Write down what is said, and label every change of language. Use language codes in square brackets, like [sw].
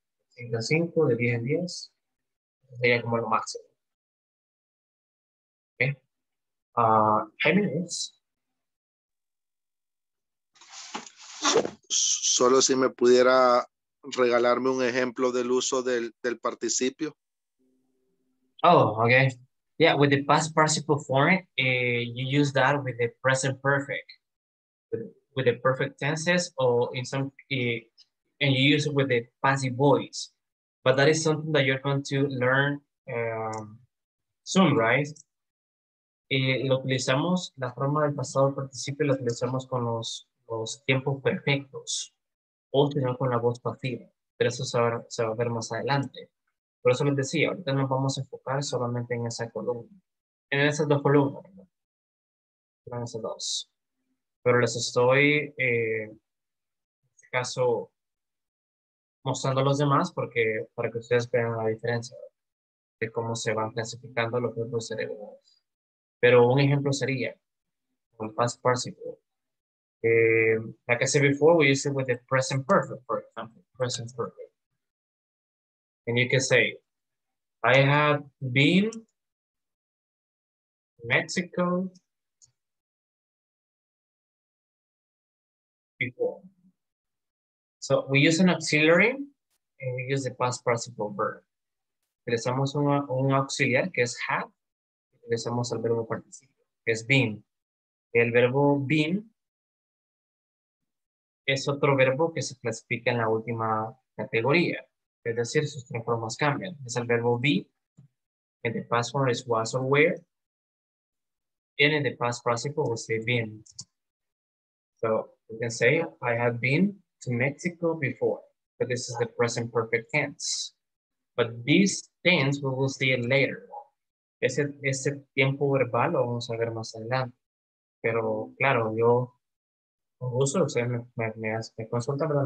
[es] 5 a 5, de 10 en 10, sería como lo máximo. ¿Ok? ¿Hemines? Solo si me pudiera regalarme un ejemplo del uso del participio. [en] Oh, okay. Yeah, with the past participle form, you use that with the present perfect. With the perfect tenses, or in some, and you use it with the passive voice. But that is something that you're going to learn soon, right? [es] Lo utilizamos, la forma del pasado participio, lo utilizamos con los tiempos perfectos, o sino con la voz pasiva. Pero eso se va a ver más adelante. Por eso les decía, ahorita nos vamos a enfocar solamente en esa columna. En esas dos columnas, ¿no? En esas dos. Pero les estoy, en este caso, mostrando a los demás porque, para que ustedes vean la diferencia de cómo se van clasificando los verbos cerebrales. Pero un ejemplo sería, el past participle. [en] Like I said before, we use it with the present perfect, for example, present perfect. And you can say, I have been to Mexico before. So we use an auxiliary and we use the past participle verb. [es] Utilizamos un auxiliar que es have, utilizamos el verbo participio, que es been. El verbo been es otro verbo que se clasifica en la última categoría. Es decir, sus tres formas cambian. Es el verbo be, en [en] the past form is was or were, and in the past participle we say been. So, you can say, I have been to Mexico before, but this is the present perfect tense. But these things, we will see it later. [es] Ese tiempo verbal lo vamos a ver más adelante. Pero, claro, yo uso, o sea, me consultan, ¿verdad?